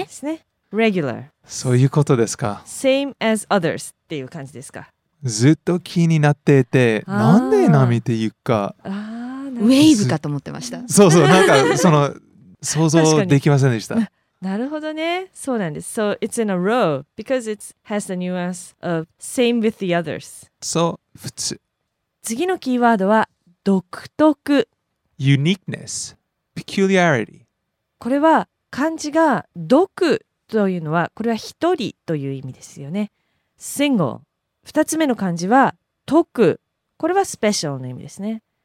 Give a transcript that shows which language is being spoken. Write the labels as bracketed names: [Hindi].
[Japanese] そうですね。Regular。そういうことですか。 [English] Same as others [Japanese] っていう感じですか。ずっと気になっていて、なんで波っていうか。ああ、ウェイブかと思ってました。そうそう、なんかその想像できませんでした。なるほどね、そうなんです。 [English] So it's in a row because it has the nuance of same with the others. [Japanese] そう、普通。次のキーワードは独特。 [English] Uniqueness, peculiarity. [Japanese] これは漢字が独というのはこれは一人という意味ですよね。 Single。 二つ目の漢字は特、これは special の意味ですね。